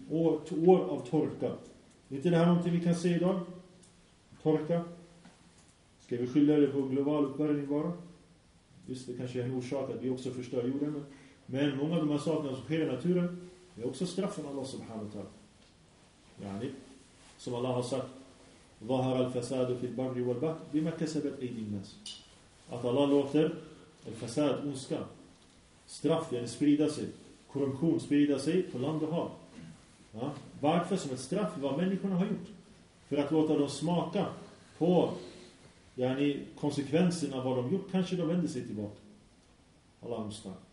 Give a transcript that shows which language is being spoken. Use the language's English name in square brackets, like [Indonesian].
[Swedish] År av torka. Är inte det här någonting vi kan se idag? Torka. Ska vi skylla det på global uppvärmning bara? Just det, kanske är en orsak att vi också förstör jorden. Men många av de här sakerna som sker i naturen är också straffen Allah subhanahu wa ta'ala. Yani, som Allah har sagt, [Arabic] ظهر الفساد في البر والبحر بما كسبت أيدي الناس. [Swedish] Att Allah låter الفساد, ondska, straff, yani sprida sig, korruption sprida sig på land och hav. Ja? Varför? Som ett straff vad människorna har gjort. För att låta dem smaka på yani konsekvenserna av vad de gjort, kanske de vänder sig tillbaka. Allah ondska.